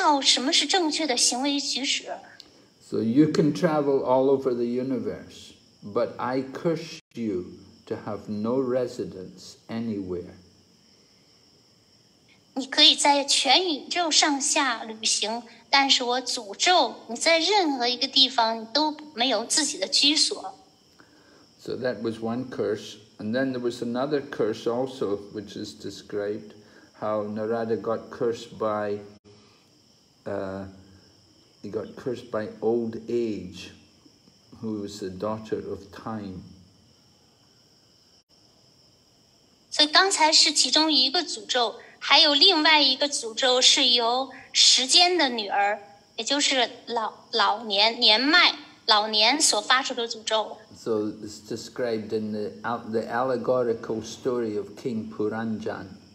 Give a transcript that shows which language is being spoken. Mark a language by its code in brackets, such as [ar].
[zh] 当达克夏听说到这个消息之后呢，他就勃然大怒，他就对纳达姆尼说：“纳达，你是一个恶棍，你不知道什么是正确的行为举止。” [en] So you can travel all over the universe, but I curse you to have no residence anywhere. [zh] 你可以在全宇宙上下旅行，但是我诅咒你在任何一个地方都没有自己的居所。 [en] So that was one curse, and then there was another curse also, which is described how Narada got cursed by he got cursed by old age, who was the daughter of time. [zh] 所以刚才是其中一个诅咒。还有另外一个诅咒是由时间的女儿，也就是老年年迈老年所发出的诅咒。 [en] So it's described in the allegorical story of King Puranjan.